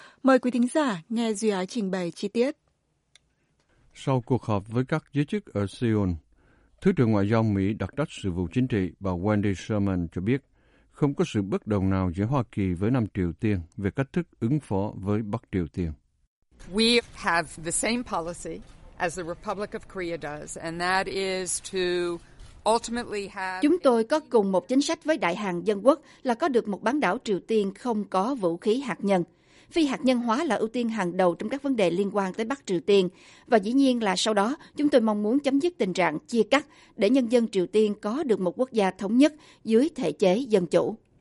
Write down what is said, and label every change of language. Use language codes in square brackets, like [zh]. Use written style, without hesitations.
[vi] Mời quý thính giả nghe Duy Ái trình bày chi tiết. Sau cuộc họp với các giới chức ở Seoul, Thứ trưởng Ngoại giao Mỹ đặc trách sự vụ chính trị bà Wendy Sherman cho biết không có sự bất đồng nào giữa Hoa Kỳ với Nam Triều Tiên về cách thức ứng phó với Bắc Triều Tiên. [en] We have the same policy as the Republic of Korea does, and that is to ultimately have. [vi] Chúng tôi có cùng một chính sách với Đại Hàn Dân Quốc là có được một bán đảo Triều Tiên không có vũ khí hạt nhân. Phi hạt nhân hóa là ưu tiên hàng đầu trong các vấn đề liên quan tới Bắc Triều Tiên, và dĩ nhiên là sau đó chúng tôi mong muốn chấm dứt tình trạng chia cắt để nhân dân Triều Tiên có được một quốc gia thống nhất dưới thể chế dân chủ.